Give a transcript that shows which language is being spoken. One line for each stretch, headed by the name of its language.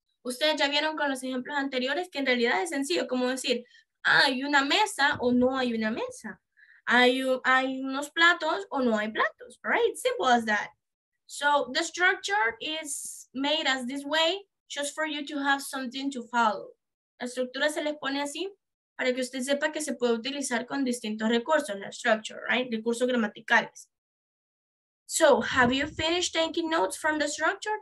Spanish: Ustedes ya vieron con los ejemplos anteriores que en realidad es sencillo, como decir, hay una mesa o no hay una mesa. Hay unos platos o no hay platos, all right? Simple as that.
English: So the structure is made as this way, just for you to have something to follow.
Spanish: La estructura se les pone así para que usted sepa que se puede utilizar con distintos recursos, la structure, right? Recursos gramaticales.
English: So, have you finished taking notes from the structure?